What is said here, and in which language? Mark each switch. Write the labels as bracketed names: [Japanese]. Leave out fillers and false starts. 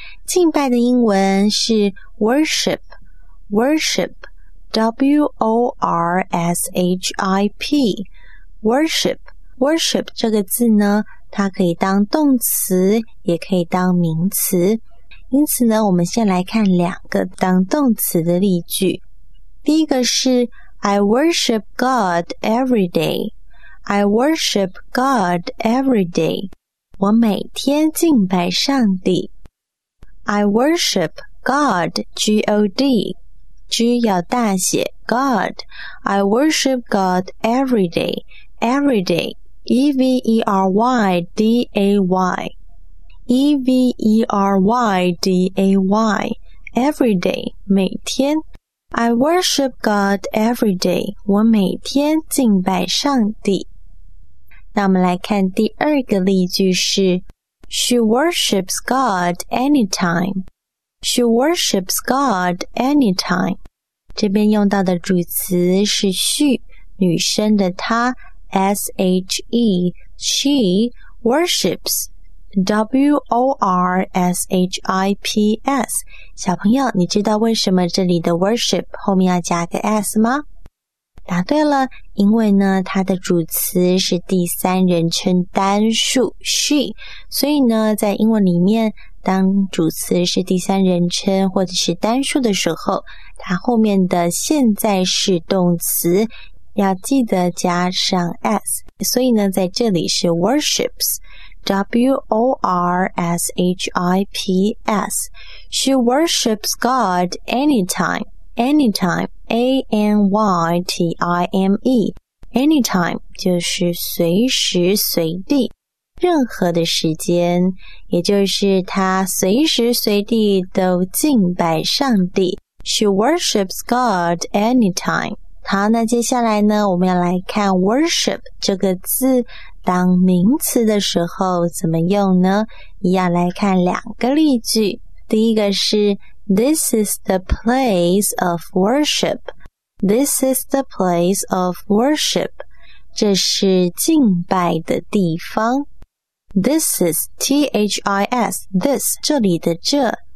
[Chinese] 敬拜的英文是 worship 这个字呢，它可以当动词，也可以当名词。因此呢，我们先来看两个当动词的例句。 [English] 第一个是 I worship God every day. I worship God every day. [Chinese] 我每天敬拜上帝。 [English] I worship God, G-O-D. G 要大写 God. I worship God every day. Every day. everyday, everyday, everyday, 每天。 I worship God every day, [Chinese] 我每天敬拜上帝。那我们来看第二个例句是 [English] She worships God anytime. She worships God anytime. [Chinese] 这边用到的主词是 she, 女生的她 ,she, she worships, w-o-r-s-h-i-p-s. 小朋友你知道为什么这里的 worship 后面要加个 s 吗？答对了，因为呢它的主词是第三人称单数 she, 所以呢在英文里面当主词是第三人称或者是单数的时候，它后面的现在式动词要记得加上 s, 所以呢在这里是 worships, w-o-r-s-h-i-p-s, [English] she worships God anytime, [Chinese] Anytime, A-N-Y-T-I-M-E, Anytime, 就是随时随地，任何的时间，也就是他随时随地都敬拜上帝。 [English] She worships God anytime. [Chinese] 好，那接下来呢，我们要来看 worship 这个字，当名词的时候怎么用呢？一样来看两个例句。第一个是 [English] This is the place of worship. This is the place of worship. [Chinese] 这是敬拜的地方。 [English] This is, T-H-I-S, this, 这里的这。